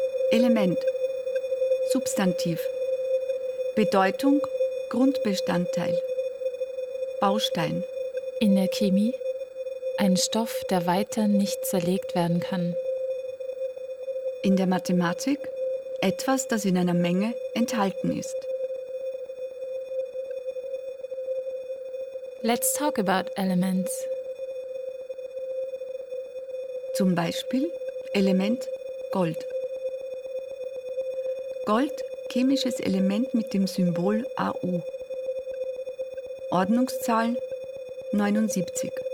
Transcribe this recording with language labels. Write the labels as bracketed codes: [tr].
[de] Element, Substantiv, Bedeutung, Grundbestandteil, Baustein. In der Chemie ein Stoff, der weiter nicht zerlegt werden kann. In der Mathematik etwas, das in einer Menge enthalten ist. [en] Let's talk about elements. [de] Zum Beispiel Element Gold. Gold, chemisches Element mit dem Symbol Au. Ordnungszahl 79.